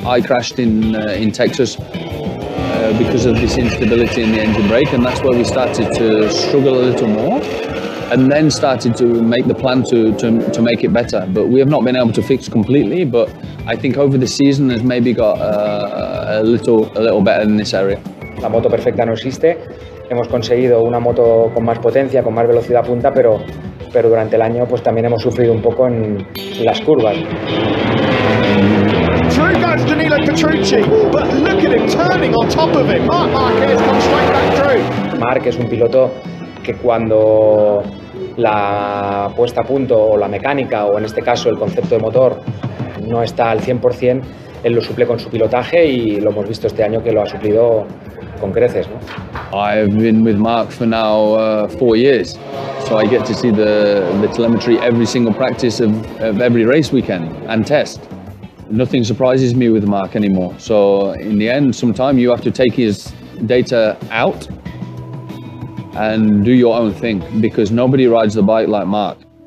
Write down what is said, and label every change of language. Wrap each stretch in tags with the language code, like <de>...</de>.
<en>I crashed in Texas because of this instability in the engine brake, and that's where we started to struggle a little more. And then started to make the plan to make it better. But we have not been able to fix completely, but I think over the season has maybe got a little better in this area.</en> <es>La moto perfecta no existe. Hemos conseguido una moto con más potencia, con más velocidad punta, pero durante el año pues también hemos sufrido un poco en las curvas.</es> <en>True guys, Danilo Petrucci, but look at him turning on top of it. Marc Marquez comes straight back through.</en> <es>Marc es un piloto que cuando la puesta a punto o la mecánica o en este caso el concepto de motor no está al 100%, él lo suple con su pilotaje y lo hemos visto este año que lo ha suplido con creces, ¿no?</es> <en>I've been with Mark for now 4 years, so I get to see the telemetry every single practice of every race weekend and test. Nothing surprises me with Mark anymore. So in the end, sometimes you have to take his data out and do your own thing, because nobody rides the bike like Mark.</en>